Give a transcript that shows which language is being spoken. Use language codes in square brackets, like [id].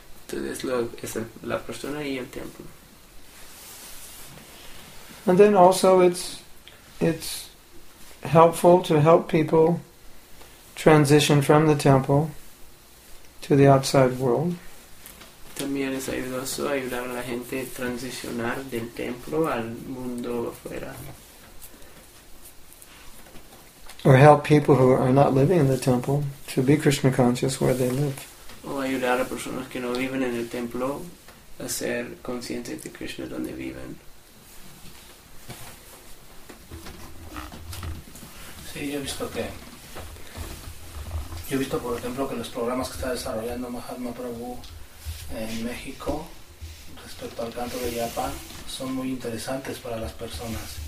[es] Entonces, es la persona y el templo. [en] And then also it's helpful to help people transition from the temple to the outside world. [es] También es ayudoso ayudar a la gente a transicionar del templo al mundo afuera. [en] Or help people who are not living in the temple to be Krishna conscious where they live. [es] O ayudar a personas que no viven en el templo a ser conscientes de Krishna donde viven. Sí, yo he visto que. Yo he visto, por ejemplo, que los programas que está desarrollando Mahatma Prabhu en México respecto al canto de Japa son muy interesantes para las personas.